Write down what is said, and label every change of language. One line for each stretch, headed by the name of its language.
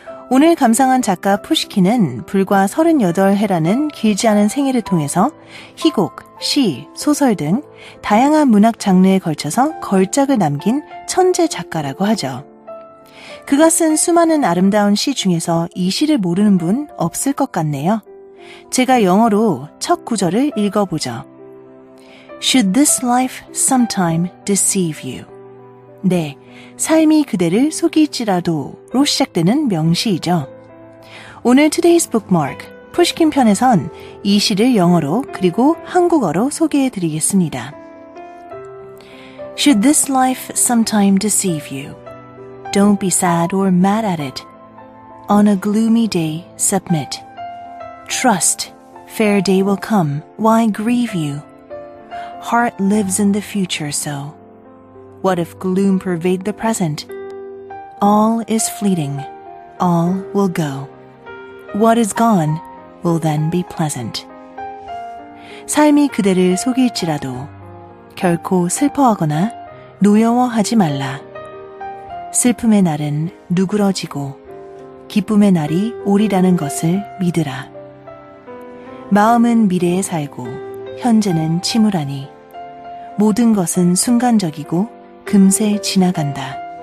Korean: 오늘 감상한 작가 포시킨은 불과 38해라는 길지 않은 생애를 통해서 희곡, 시, 소설 등 다양한 문학 장르에 걸쳐서 걸작을 남긴 천재 작가라고 하죠. 그가 쓴 수많은 아름다운 시 중에서 이 시를 모르는 분 없을 것 같네요. 제가 영어로 첫 구절을 읽어보죠.
English: Should this life sometime deceive you?
Korean: 네, 삶이 그대를 속일지라도로 시작되는 명시이죠. 오늘
English: Today's Bookmark,
Korean: 푸시킨 편에선 이 시를 영어로 그리고 한국어로 소개해드리겠습니다.
English: Should this life sometime deceive you? Don't be sad or mad at it. On a gloomy day, submit. Trust, fair day will come. Why grieve you? Heart lives in the future, so. What if gloom pervade the present? All is fleeting. All will go. What is gone will then be pleasant.
Korean: 삶이 그대를 속일지라도 결코 슬퍼하거나 노여워하지 말라. 슬픔의 날은 누그러지고 기쁨의 날이 오리라는 것을 믿으라. 마음은 미래에 살고 현재는 침울하니 모든 것은 순간적이고 금세 지나간다.